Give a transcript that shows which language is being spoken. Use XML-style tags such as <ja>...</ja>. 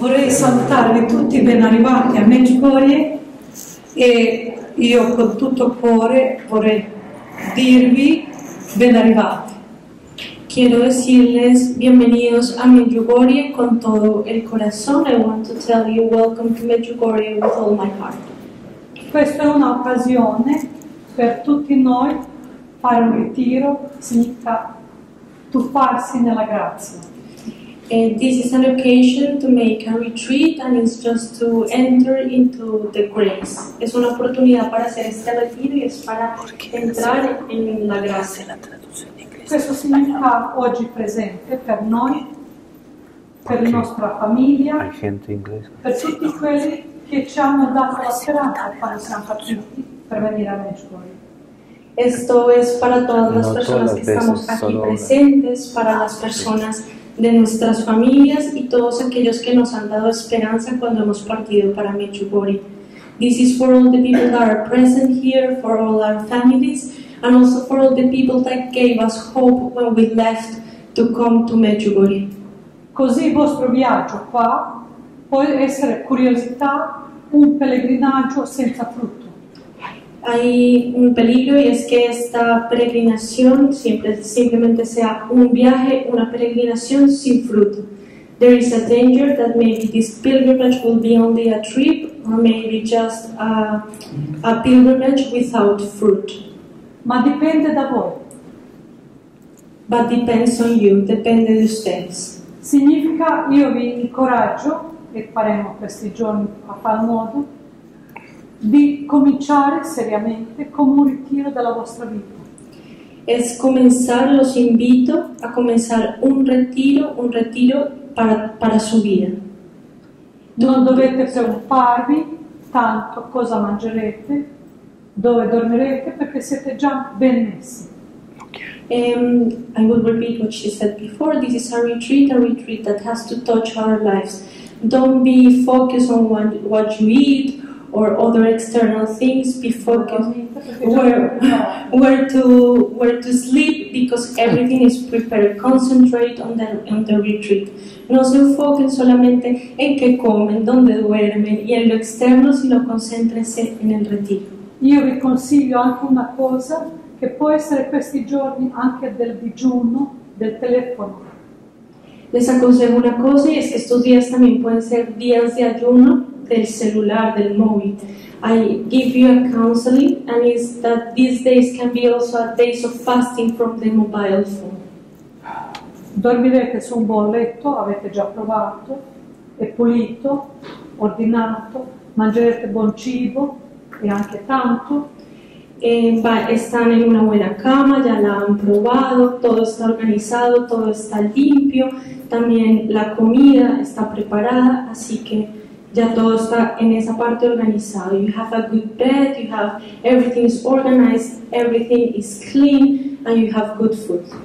<it>salve a tutti, ben arrivati a Medjugorje e io con tutto cuore vorrei dirvi ben arrivati.</it> <es>Quiero decirles bienvenidos a Medjugorje con todo el corazón.</es> <en>I want to tell you welcome to Medjugorje with all my heart.</en> <it>Questa è un'occasione per tutti noi fare un ritiro, significa tuffarsi nella grazia.</it> <en>This is an occasion to make a retreat and it's just to enter into the grace.</en> <es>Es una oportunidad para hacer este retiro y es para entrar en la gracia.</es> <it>Questo significa oggi presente per noi, per la nostra famiglia, per tutti quelli che ci hanno dato la speranza quando siamo partiti per venire a Medjugorje.</it> <es>Esto es para todas las personas que estamos aquí presentes, para las personas de nuestras familias y todos aquellos que nos han dado esperanza cuando hemos partido para Medjugorje.</es> <en>This is for all the people that are present here, for all our families, and also for all the people that gave us hope when we left to come to Medjugorje.</en> <it>Così il vostro viaggio qua può essere curiosità, un pellegrinaggio senza frutto.</it> <es>Hay un peligro y es que esta peregrinación simplemente sea un viaje, una peregrinación sin fruto.</es> <en>There is a danger that maybe this pilgrimage will be only a trip or maybe just a pilgrimage without fruit.</en> <it>Ma dipende da voi.</it> <en>But depends on you,</en> <es>depende di ustedes.</es> <it>Significa io vi incoraggio, e faremo questi giorni a far modo, di cominciare seriamente con un ritiro della vostra vita.</it> <es>Es comenzar, los invito a comenzar un ritiro para su vida.</es> <it>Non dovete preoccuparvi tanto cosa mangerete, dove dormirete, perché siete già ben messi.</it> <en>I will repeat what she said before. This is a retreat that has to touch our lives. Don't be focused on what you eat, or other external things before where to sleep, because everything is prepared. Concentrate on the retreat.</en> <es>No se enfoquen solamente en qué comen, dónde duermen y en lo externo, sino concéntrense en el retiro.</es> <it>Io vi consiglio anche una cosa che può essere questi giorni anche del digiuno, del telefono.</it> <es>Les aconsejo una cosa y es que estos días también pueden ser días de ayuno del celular, del móvil.</es> <en>I give you a counseling and it's that these days can be also a days of fasting from the mobile phone.</en> <it>Dormirete su un buon letto, avete già provato, è pulito, ordinato, mangerete buon cibo e anche tanto.</it> <es>Están en una buena cama, ya la han probado, todo está organizado, todo está limpio, también la comida está preparada, así que ya todo está en esa parte organizado.</es> <en>You have a good bed, you have everything is organized, everything is clean, and you have good food.</en>